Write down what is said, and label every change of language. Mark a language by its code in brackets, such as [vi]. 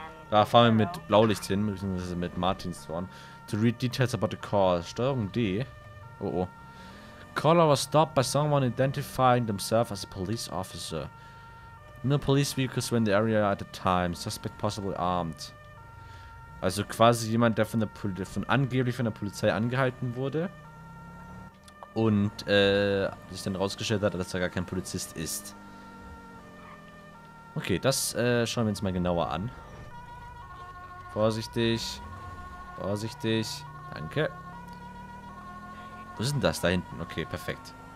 [de] Da fahren wir mit Blaulicht hin, beziehungsweise mit Martins Zorn. [en] To read details about the car. [de] Steuerung D. Oh oh. [en] Caller was stopped by someone identifying themselves as a police officer. No police vehicles were in the area at the time. Suspect possibly armed. [de] Also quasi jemand, der angeblich von der Polizei angehalten wurde. Und sich dann rausgestellt hat, dass er gar kein Polizist ist. Okay, das schauen wir uns mal genauer an. Vorsichtig. Vorsichtig. Danke. Wo ist denn das? Da hinten. Okay, perfekt.